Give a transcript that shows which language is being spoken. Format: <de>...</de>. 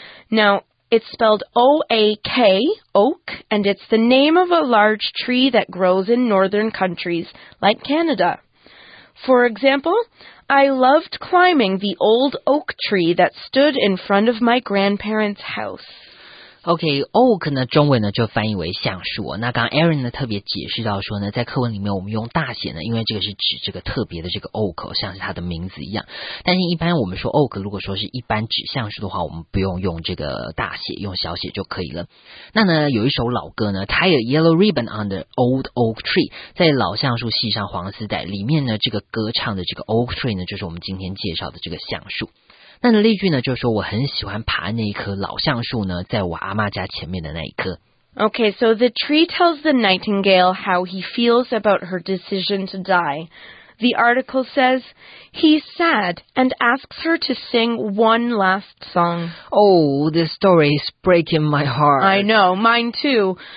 <en>Now it's spelled O-A-K, oak, and it's the name of a large tree that grows in northern countries like Canada. For example,I loved climbing the old oak tree that stood in front of my grandparents' house.</en> <zh>Okay, oak 呢，中文呢就翻译为橡树。那刚 Aaron 呢特别解释到说呢，在课文里面我们用大写呢，因为这个是指这个特别的这个 oak， 像是它的名字一样。但是一般我们说 oak， 如果说是一般指橡树的话，我们不用用这个大写，用小写就可以了。那呢，有一首老歌呢 ，</zh> <en>Tie a yellow ribbon on the old oak tree，</en> <zh>在老橡树系上黄丝带。里面呢，这个歌唱的这个 oak tree 呢，就是我们今天介绍的这个橡树。那例句呢就是说我很喜欢爬那一棵老橡树呢在我阿嬷家前面的那一棵。</zh> <en>Okay, so the tree tells the nightingale how he feels about her decision to die. The article says, he's sad and asks her to sing one last song. Oh, this story is breaking my heart. I know, mine too.</en>